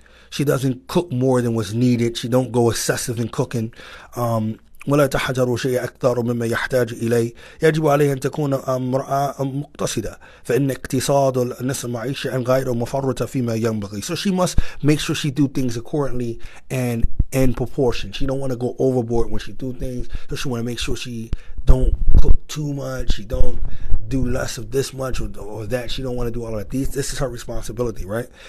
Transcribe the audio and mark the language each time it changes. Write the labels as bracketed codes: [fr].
[en] She doesn't cook more than what's needed. She don't go excessive in cooking. [ar] ولا تحجر شيء أكثر مما يحتاج إليه يجب عليها أن تكون امرأة مقتصدة فإن اقتصاد النصف معيشة غير مفرطة فيما ينبغي. [en] So she must make sure she do things accordingly and in proportion. She don't want to go overboard when she do things. So she want to make sure she don't cook too much. She don't do less of this much or that. She don't want to do all of that. This is her responsibility, right?